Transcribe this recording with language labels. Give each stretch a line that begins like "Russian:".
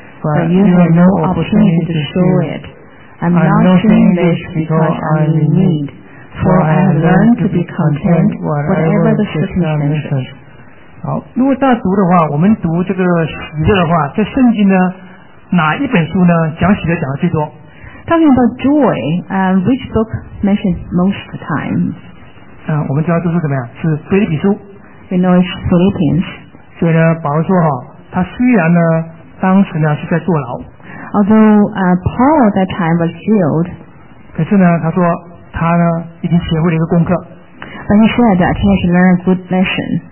English: but you had no opportunity to show it. I'm not saying this because I'm in need, for I have learned to be content whatever the circumstances.
Chinese: 好，如果大读的话，我们读这个喜乐的话，在圣经呢，哪一本书呢讲喜乐讲的最多
English: ？Talking about joy, which book mentioned most of the time?
Chinese: 我们知道这是怎么样？是腓立比书。
English: We know it's Philippians.
Chinese: 所以呢，保罗说哈，他虽然呢，当时呢是在坐牢。
English: although Paul at that time was healed,
Chinese: 可是呢，他说他呢已经学会了一个功课。
English: But he said that he has learned a good lesson.